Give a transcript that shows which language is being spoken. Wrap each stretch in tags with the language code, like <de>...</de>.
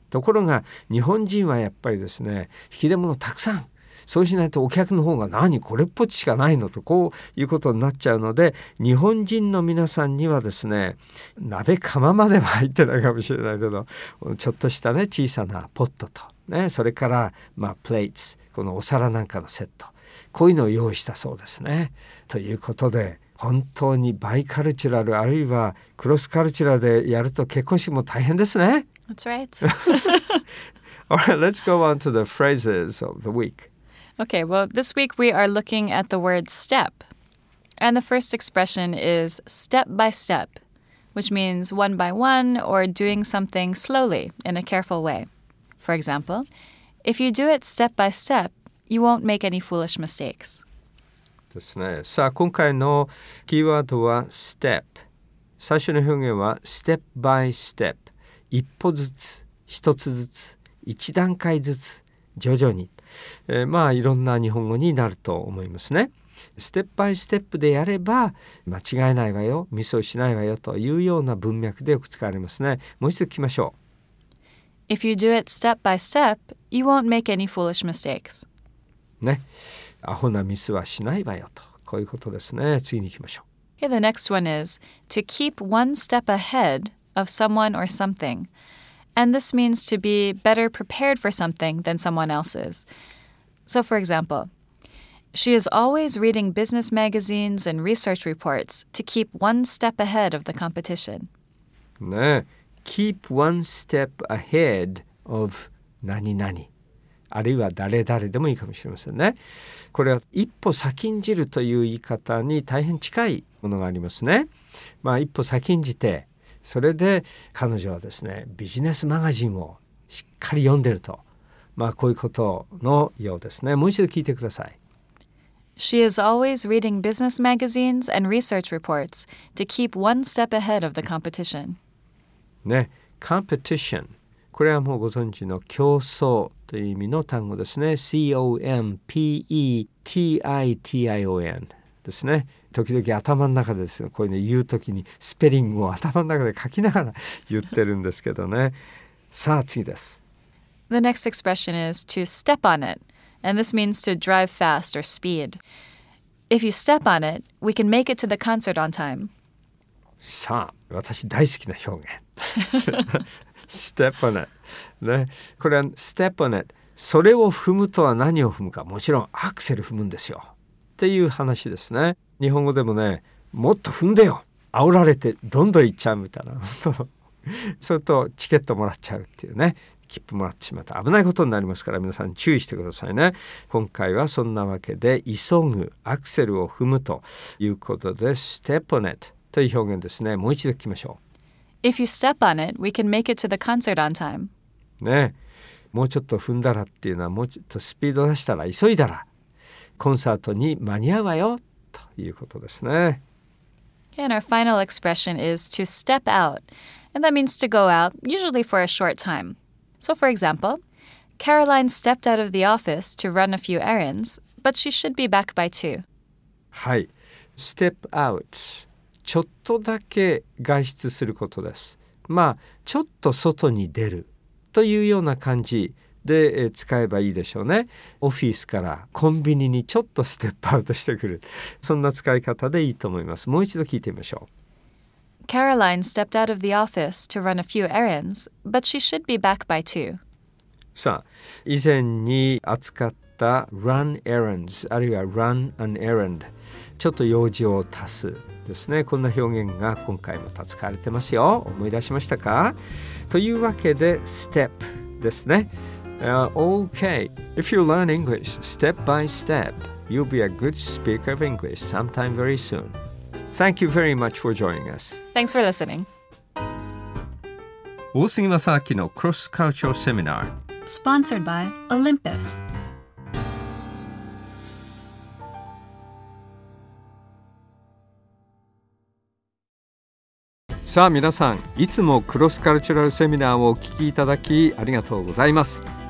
<ja>ところが日本人はやっぱりですね、引き出物たくさん、そうしないとお客の方が何これっぽっちしかないのと、こういうことになっちゃうので、日本人の皆さんにはですね、鍋釜までは入ってないかもしれないけど、ちょっとしたね小さなポットと、ね、それからまあプレーツ、このお皿なんかのセット、こういうのを用意したそうですね。ということで本当にバイカルチュラル、あるいはクロスカルチュラルでやると結婚式も大変ですね。</ja> <en>That's right. All right, let's go on to the phrases of the week Okay, well, this week we are looking at the word step. And the first expression is step by step, which which means one by one or doing something slowly in a careful way. For example, if you do it step by step, you won't make any foolish mistakes.</en> <ja>ですね。さあ、今回のキーワードは step。最初の表現は</ja> <en>step by step。</en> <ja>一歩ずつ、一つずつ、一段階ずつ、徐々に。まあいろんな日本語になると思いますね。ステップバイステップでやれば間違いないわよ、ミスをしないわよというような文脈でよく使われますね。もう一度聞きましょう。</ja> <en>If you do it step by step, you won't make any foolish mistakes.</en> <ja>ね、アホなミスはしないわよと、こういうことですね。次に行きましょう。</ja> <en>Okay, the next one is to keep one step ahead of someone or something. And this means to be better prepared for something than someone else's. So for example,She is always reading business magazines and research reports to keep one step ahead of the competition. ね、keep one step ahead of</en> <ja>何々。あるいは誰々でもいいかもしれませんね。これは一歩先んじるという言い方に大変近いものがありますね。まあ一歩先んじて、それで彼女はですね、ビジネスマガジンをしっかり読んでると。まあこういうことのようですね。もう一度聞いてください。</ja> <en>She is always reading business magazines and research reports to keep one step ahead of the competition.</en> <ja>ね、competition。これはもうご存知の競争という意味の単語ですね。 C-O-M-P-E-T-I-T-I-O-N ですね。時々頭の中でですね、こういうの言う時にスペリングを頭の中で書きながら言ってるんですけどね。さあ、次です。</ja> <en>The next expression is to step on it. And this means to drive fast or speed. If you step on it, we can make it to the concert on time.</en> <ja>さあ、私大好きな表現。</ja> <en>step on it.</en> <ja>ね、これは</ja> <en>step on it.</en> <ja>それを踏むとは何を踏むか。もちろんアクセル踏むんですよ。っていう話ですね。日本語でもね、もっと踏んでよ。煽られてどんどん行っちゃうみたいな。それとチケットもらっちゃうっていうね。切符もらってしまった危ないことになりますから皆さん注意してくださいね。今回はそんなわけで急ぐアクセルを踏むということで</ja> <en>step on it</en> <ja>という表現ですね。もう一度聞きましょう。</ja> <en>If you step on it, we can make it to the concert on time.</en> <ja>ね、もうちょっと踏んだらっていうのはもうちょっとスピード出したら急いだらコンサートに間に合うわよということですね。</ja> <en>And our final expression is to step out. And that means to go out, usually for a short time. So, for example, Caroline stepped out of the office to run a few errands, but she should be back by 2. はい。Step out.</en> <ja>ちょっとだけ外出することです。まあ、ちょっと外に出るというような感じで使えばいいでしょうね。オフィスからコンビニにちょっとステップアウトしてくる。そんな使い方でいいと思います。もう一度聞いてみましょう。</ja> <en>Caroline stepped out of the office to run a few errands, but she should be back by 2.</en> <ja>さあ、以前に扱った</ja> <en>run errands,</en> <ja>あるいは</ja> <en>run an errand,</en> <ja>ちょっと用事を足すですね。こんな表現が今回また使われてますよ。思い出しましたか？というわけで、step ですね。</ja> <en>Okay, if you learn English step by step, you'll be a good speaker of English sometime very soon. Thank you very much for joining us. Thanks for listening.</en> <ja>大杉正明のクロスカルチャーセミナー。</ja> <en>Sponsored by Olympus.</en> <ja>さあ皆さん、いつもクロスカルチャーセミナーをお聞きいただきありがとうございます。</ja>